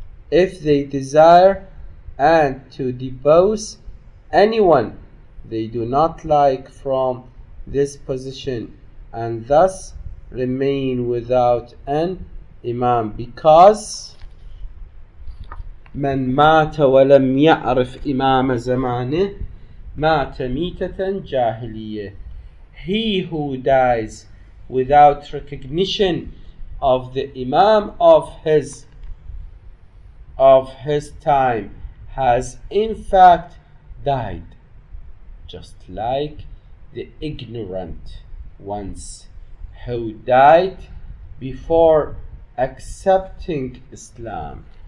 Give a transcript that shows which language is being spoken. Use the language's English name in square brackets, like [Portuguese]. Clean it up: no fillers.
[English] if they desire, and to depose anyone they do not like from this position, and thus remain without an Imam, because [Arabic] من مات ولم يعرف إمام زمانه مات ميتة جاهلية. [English] He who dies without recognition of the Imam of his time has in fact died, just like the ignorant ones who died before accepting Islam.